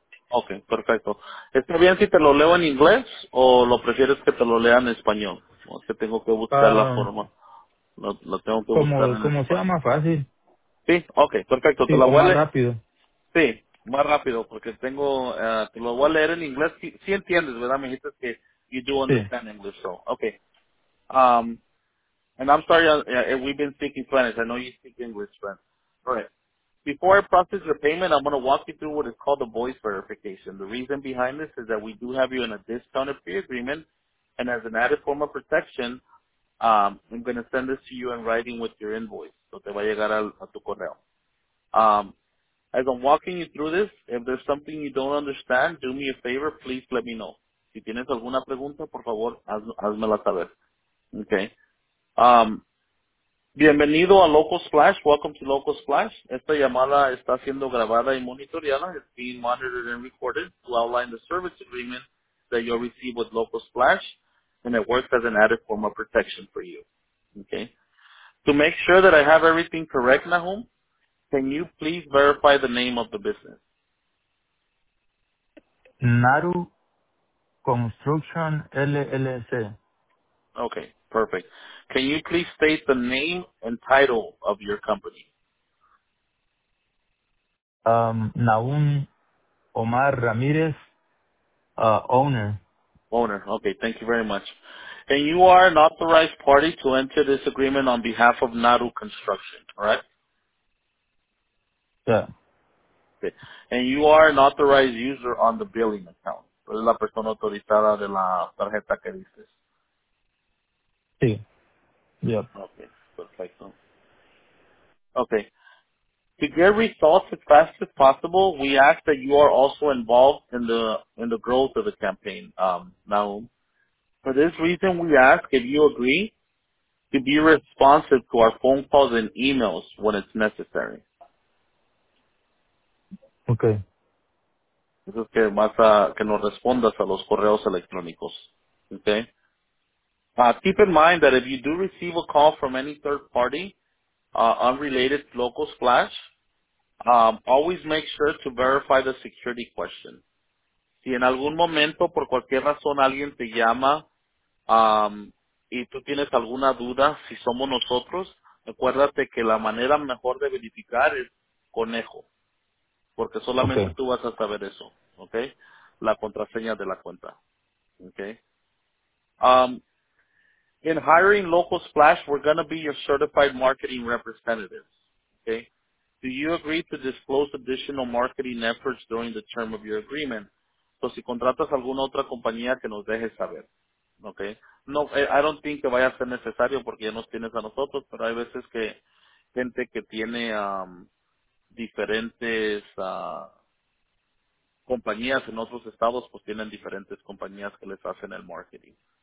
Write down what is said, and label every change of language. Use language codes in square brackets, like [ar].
[es] Okay, perfecto. ¿Está bien si te lo leo en inglés o lo prefieres que te lo lea en español? O sea, tengo que buscar la forma. Lo tengo que buscar. Como sea más fácil. Sí, okay, perfecto. Sí, te la voy a leer más rápido. Sí, más rápido porque tengo te lo voy a leer en inglés. Sí entiendes, ¿verdad? Me dijiste que [en] you do understand English, so okay. And I'm sorry if we've been speaking Spanish. I know you speak English, friend. All right. Before I process your payment, I'm going to walk you through what is called a voice verification. The reason behind this is that we do have you in a discounted fee agreement, and as an added form of protection, I'm going to send this to you in writing with your invoice. [es] So te va a llegar a tu correo. [en] As I'm walking you through this, if there's something you don't understand, do me a favor, please let me know. [es] Si tienes alguna pregunta, por favor, házmela saber. Okay. Bienvenido a Local Splash. [en] Welcome to Local Splash. [es] Esta llamada está siendo grabada y monitoreada. [en] It's being monitored and recorded to outline the service agreement that you'll receive with Local Splash, and it works as an added form of protection for you. Okay. To make sure that I have everything correct, Nahum, can you please verify the name of the business? Naru Construction LLC. Okay, perfect. Can you please state the name and title of your company? Naun Omar Ramirez, owner. Owner, okay, thank you very much. And you are an authorized party to enter this agreement on behalf of Naru Construction, correct? Yeah. Okay. And you are an authorized user on the billing account. [es] Es la persona autorizada de la tarjeta que dices. Sí. Yep. Okay, perfecto. Okay. [en] To get results as fast as possible, we ask that you are also involved in the growth of the campaign, Naum. For this reason, we ask if you agree to be responsive to our phone calls and emails when it's necessary. Okay. [es] Eso es que más que nos respondas a los correos electrónicos. Okay. [en] Keep in mind that if you do receive a call from any third party, unrelated to local Splash, always make sure to verify the security question. [es] Si en algún momento, por cualquier razón, alguien te llama, y tú tienes alguna duda si somos nosotros, acuérdate que la manera mejor de verificar es conejo, porque solamente okay. Tú vas a saber eso, okay? La contraseña de la cuenta, okay? [en] In hiring Local Splash, we're going to be your certified marketing representatives, okay? Do you agree to disclose additional marketing efforts during the term of your agreement? [es] So si contratas alguna otra compañía, que nos dejes saber. Okay. No, [en] I don't think [es] que vaya a ser necesario porque ya nos tienes a nosotros, pero hay veces que gente que tiene diferentes compañías en otros estados, pues tienen diferentes compañías que les hacen el marketing.